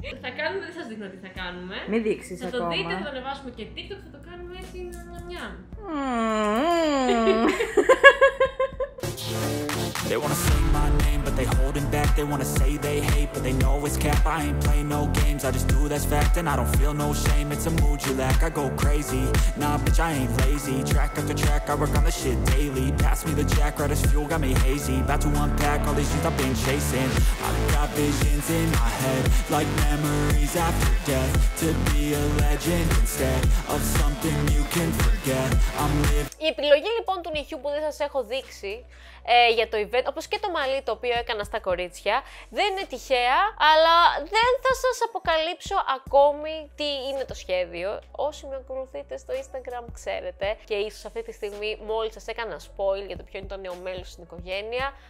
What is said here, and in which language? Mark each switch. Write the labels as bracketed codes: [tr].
[el] Θα κάνουμε, δεν σας δείχνω τι θα κάνουμε. Μην δείξεις ακόμα. Θα το δείτε, θα το ανεβάσουμε και TikTok, θα το κάνουμε έτσι να μονιά. [en] They wanna say my name, but they holding back. They wanna say they hate, but they know it's cap. I ain't play no games, I just do that's fact. And I don't feel no shame, it's a mood you lack. I go crazy, nah bitch I ain't lazy. Track after track, I work on the shit daily. Pass me the jack, right as fuel, got me hazy. About to unpack all these things I've been chasing. I've got visions in my head, like memories after death. To be a legend instead of something you can forget. I'm living. [el] Η επιλογή λοιπόν του νυχιού που δεν σας έχω δείξει για το event, όπως και το μαλλί το οποίο έκανα στα κορίτσια, δεν είναι τυχαία, αλλά δεν θα σας αποκαλύψω ακόμη τι είναι το σχέδιο. Όσοι με ακολουθείτε στο Instagram ξέρετε, και ίσως αυτή τη στιγμή μόλις σας έκανα spoil για το ποιο είναι το νέο μέλος στην οικογένεια.